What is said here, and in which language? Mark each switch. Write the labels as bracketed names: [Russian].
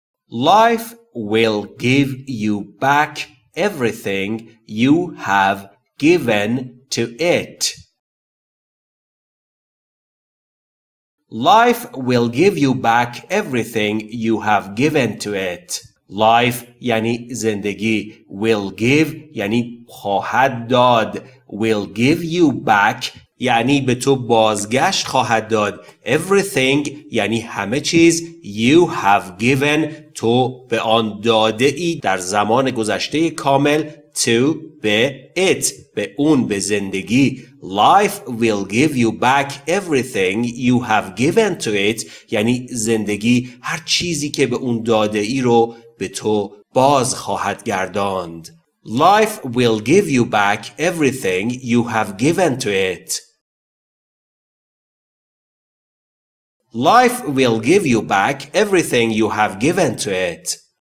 [English] Life will give you back everything you have given to it. Life will give you back everything you have given to it. [Persian] Life یعنی زندگی, will give یعنی خواهد داد, [English] will give you back [Persian] یعنی به تو بازگشت خواهد داد, everything یعنی همه چیز, [English] you have given [Persian] تو به آن داده ای در زمان گذشته کامل, to به it به اون, به زندگی. [English] Life will give you back everything you have given to it [Persian] یعنی زندگی هر چیزی که به اون داده ای رو به تو باز خواهد گرداند. [English] Life will give you back everything you have given to it. Life will give you back everything you have given to it.